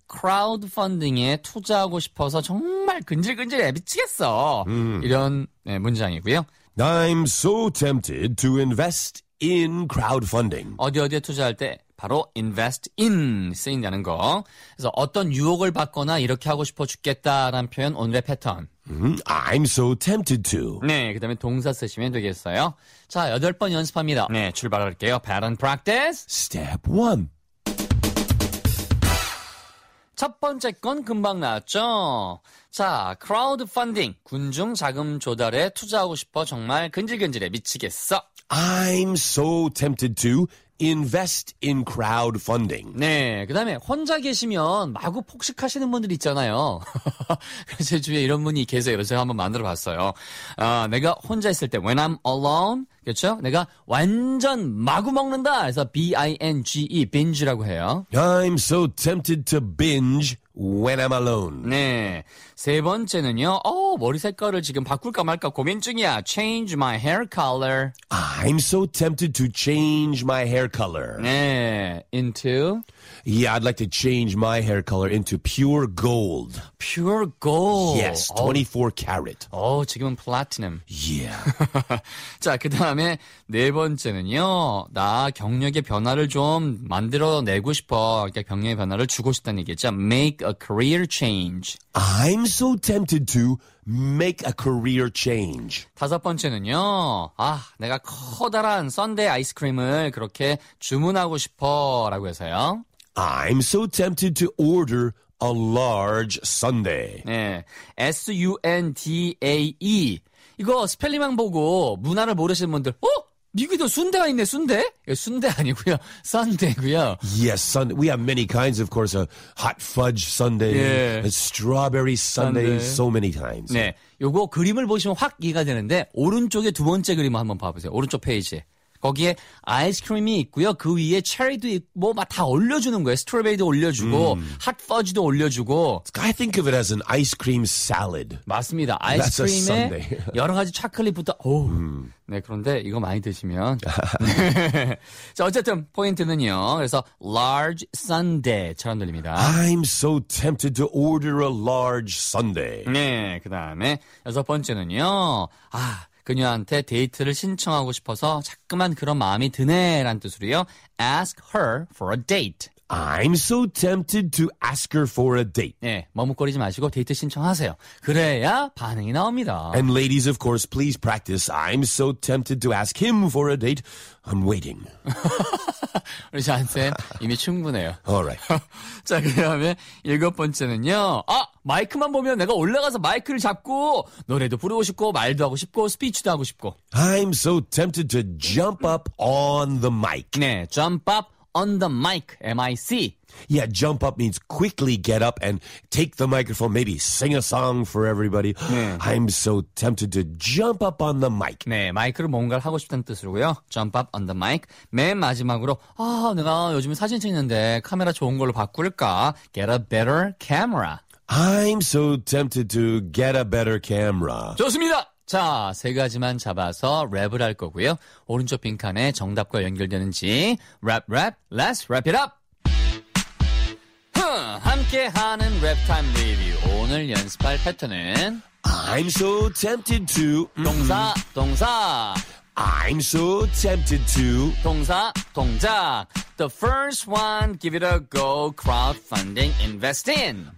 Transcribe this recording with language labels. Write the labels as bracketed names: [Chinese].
[Korean] 크라우드펀딩에 투자하고 싶어서 정말 근질근질해 미치겠어. 이런 문장이고요. [English] I'm so tempted to invest in crowdfunding. [Korean] 어디 어디에 투자할 때 바로 invest in 쓰인다는 거. 그래서 어떤 유혹을 받거나 이렇게 하고 싶어 죽겠다라는 표현 오늘의 패턴. [English] I'm so tempted to. [Korean] 네, 그 다음에 동사 쓰시면 되겠어요. 자, 8번 연습합니다. 네, 출발할게요. [English] Pattern practice. Step one. [Korean] 첫 번째 건 금방 나왔죠? 자, 크라우드펀딩. 군중 자금 조달에 투자하고 싶어 정말 근질근질해 미치겠어. [English] I'm so tempted to invest in crowdfunding. [Korean] 네, 그 다음에 혼자 계시면 마구 폭식하시는 분들 있잖아요. 제 주위에 이런 분이 계세요. 제가 한번 만들어 봤어요. 내가 혼자 있을 때, [English] when I'm alone, [Korean] 그렇죠? 내가 완전 마구 먹는다. 그래서 binge, binge라고 해요. [English] I'm so tempted to binge when I'm alone. [Korean] 네, 세 번째는요. 머리 색깔을 지금 바꿀까 말까 고민 중이야. [English] Change my hair color. I'm so tempted to change my hair color. [Korean] 네, into [English] Yeah, I'd like to change my hair color into pure gold. pure gold. Yes, 24 carat. [Korean] 지금은 플래티넘. [English] Yeah. [Korean] 자, 그 다음에 네 번째는요. 나 경력의 변화를 좀 만들어내고 싶어. 그러니까 경력의 변화를 주고 싶다는 얘기죠. [English] Make a career change. I'm so tempted to make a career change. [Korean] 다섯 번째는요. 아, 내가 커다란 썬데이 아이스크림을 그렇게 주문하고 싶어. 라고 해서요. [English] I'm so tempted to order a large sundae. [Korean] 네, sundae. 이거 스펠링만 보고 문화를 모르시는 분들, 미국에도 순대가 있네, 순대? 순대 아니고요, 썬데이고요. [English] Yes, sundae. We have many kinds, of course. A hot fudge sundae, a [Korean] 예, [English] strawberry sundae, [Korean] 썬데이. [English] so many times. [Korean] 네, 요거 그림을 보시면 확 이해가 되는데 오른쪽에 두 번째 그림 한번 봐보세요. 오른쪽 페이지에. 거기에 아이스크림이 있고요. 그 위에 체리도 있고 막다 올려주는 거예요. 스트로베리도 올려주고 핫퍼지도 올려주고. [English] I think of it as an ice cream salad. [Korean] 맞습니다. [English] That's a [Korean] 아이스크림에 [English] sundae. [Korean] 여러 가지 초콜릿부터. 네, 그런데 이거 많이 드시면. 자, 어쨌든 포인트는요. 그래서 [English] large sundae [Korean] 처럼 들립니다. [English] I'm so tempted to order a large sundae. [Korean] 네, 그다음에 여섯 번째는요. 아, 그녀한테 데이트를 신청하고 싶어서 자꾸만 그런 마음이 드네란 뜻으로요. [English] Ask her for a date. I'm so tempted to ask her for a date. [Korean] 네, 머뭇거리지 마시고 데이트 신청하세요. 그래야 반응이 나옵니다. [English] And ladies, of course, please practice. I'm so tempted to ask him for a date. I'm waiting. [Korean] 우리 자한테 이미 충분해요. [English] Alright. [Korean] 자, 그 다음에 일곱 번째는요. 아, 마이크만 보면 내가 올라가서 마이크를 잡고 노래도 부르고 싶고 말도 하고 싶고 스피치도 하고 싶고. [English] I'm so tempted to jump up on the mic. 네, jump up. On the mic, M-I-C. Yeah, jump up means quickly get up and take the microphone, maybe sing a song for everybody. [Korean] 네. [English] I'm so tempted to jump up on the mic. [Korean] 네, 마이크로 뭔가를 하고 싶다는 뜻으로고요. [English] Jump up on the mic. [Korean] 맨 마지막으로, 내가 요즘에 사진 찍는데 카메라 좋은 걸로 바꿀까? [English] Get a better camera. I'm so tempted to get a better camera. [Korean] 좋습니다! 자, 세 가지만 잡아서 랩을 할 거고요. 오른쪽 빈칸에 정답과 연결되는지. [English] 랩, 랩, let's wrap it up! [Korean] 함께하는 랩타임 리뷰. 오늘 연습할 패턴은 [English] I'm so tempted to [Korean] 동사, 동사 [English] I'm so tempted to [Korean] 동사, 동작 [English] The first one, give it a go, crowdfunding, invest in.